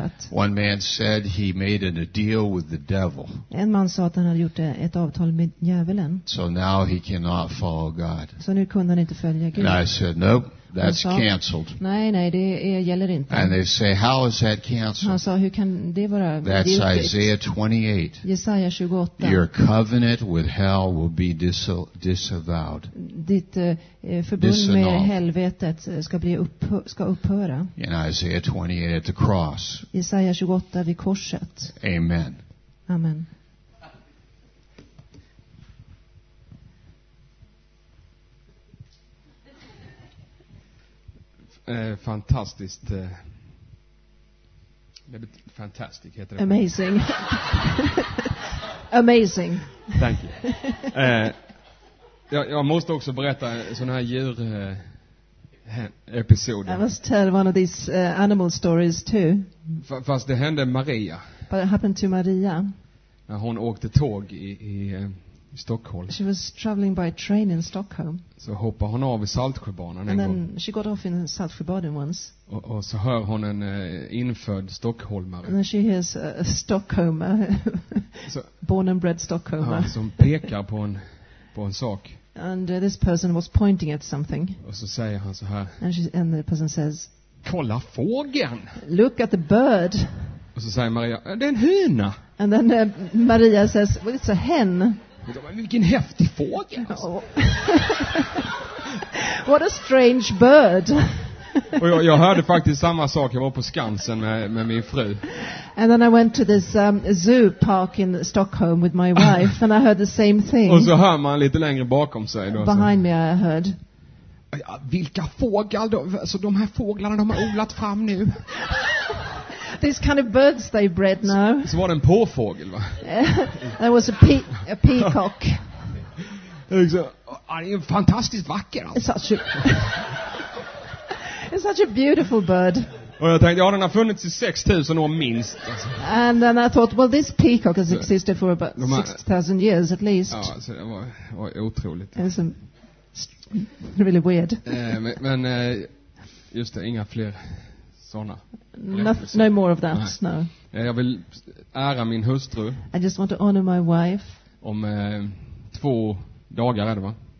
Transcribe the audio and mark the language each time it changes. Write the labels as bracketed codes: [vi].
[en] One man said he made a deal with the devil. [sv] En man sa att han hade gjort ett avtal med djävulen. [en] So now he cannot follow God. [sv] Så nu kunde han inte följa Gud. [en] And I said nope, that's canceled. [sv] Nej, det gäller inte. [en] And they say, how is that canceled? [sv] Han sa, hur kan det vara giltigt? [en] That's Isaiah 28. [sv] Jesaja 28. [en] Your covenant with hell will be disavowed. [sv] Ditt förbund med helvetet ska upphöra. [en] In Isaiah 28 at the cross. [sv] Jesaja 28 vid korset. [en] Amen. [sv] Amen. Fantastiskt. Fantastic heter det. [en] Amazing. Amazing. Thank you. [sv] Jag måste också berätta en sån här djur episoden. [en] I must tell one of these animal stories too. [sv] Fast det hände Maria. [en] But it happened to Maria. [sv] När hon åkte tåg i Stockholm. [en] She was traveling by train in Stockholm. [sv] Så hoppar hon av i Saltsjöbanan en gång. [en] And then she got off in Saltsjöbaden once. [sv] Och så hör hon en infödd stockholmare. [en] And then she hears a Stockholmer. Born and bred Stockholmer. [sv] Ja, som pekar på en sak. [en] And this person was pointing at something. [sv] Och så säger han så här. [en] And the person says, [sv] kolla fågeln. [en] Look at the bird. [sv] Och så säger Maria, det är en höna. [en] And then Maria says, well, it's a hen. [sv] Vilken häftig fågel. [en] What a strange bird. [sv] Och jag hörde faktiskt samma sak. Jag var på Skansen med min fru. [en] And then I went to this zoo park in Stockholm with my wife and I heard the same thing. [sv] Och så hör man lite längre bakom sig då, [en] behind me I heard. [sv] Ja, vilka fåglar då? Så de här fåglarna de har odlat fram nu. [en] These kind of birds they bred now. [sv] Så var det en påfågel va? [en] That was a peacock. [sv] Exakt. Är en fantastiskt vacker alltså. [en] It's such a beautiful bird. [sv] Och jag tänkte, ja, den har funnits i 6000 år minst. [en] And then I thought, well, this peacock has existed for about 6000 years at least. [sv] Ja, så det var otroligt. [en] It's really weird. [sv] Men just det, inga fler såna. [en] No more of that. No. [sv] Jag vill ära min hustru. [en] I just want to honor my wife. [sv] Om 2 dagar är det va?